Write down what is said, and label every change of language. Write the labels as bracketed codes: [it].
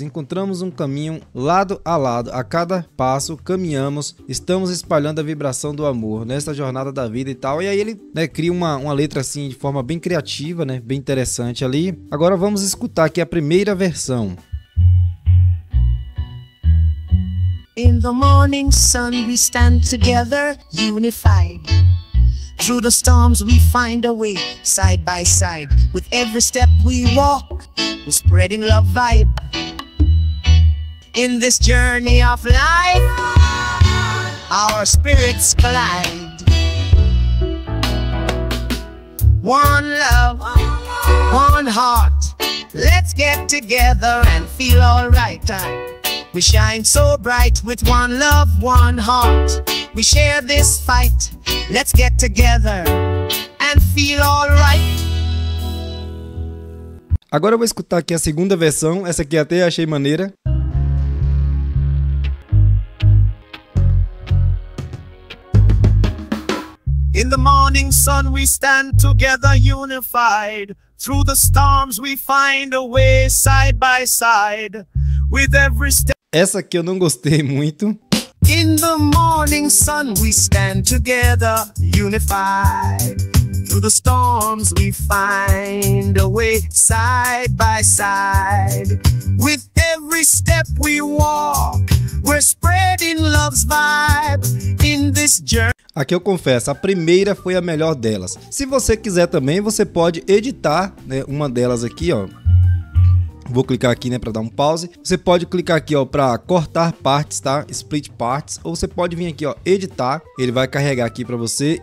[pt] Encontramos um caminho lado a lado. A cada passo caminhamos, estamos espalhando a vibração do amor nesta jornada da vida e tal. E aí ele, né, cria uma letra assim de forma bem criativa, né, bem interessante ali. Agora vamos escutar aqui a primeira versão. [en] In the morning sun we stand together, unified. Through the storms we find a way, side by side. With every step we walk, we're spreading love vibe. In this journey of life, our spirits collide. One love, one heart, let's get together and feel alright. We shine so bright with one love, one heart. We share this fight. Let's get together and feel alright. [pt] Agora eu vou escutar aqui a segunda versão. Essa aqui até achei maneira. [en] In the morning sun we stand together unified. Through the storms we find a way, side by side. With every step. [pt] Essa aqui eu não gostei muito. [en] In the morning sun we stand together, unified. Through the storms we find a way, side by side. With every step we walk, we're spreading love's vibe in this journey. [pt] Aqui eu confesso, a primeira foi a melhor delas. Se você quiser também, você pode editar, né, uma delas aqui, ó. Vou clicar aqui, né, para dar um pause. Você pode clicar aqui, ó, para cortar partes, tá? Split parts. Ou você pode vir aqui, ó, editar. Ele vai carregar aqui para você.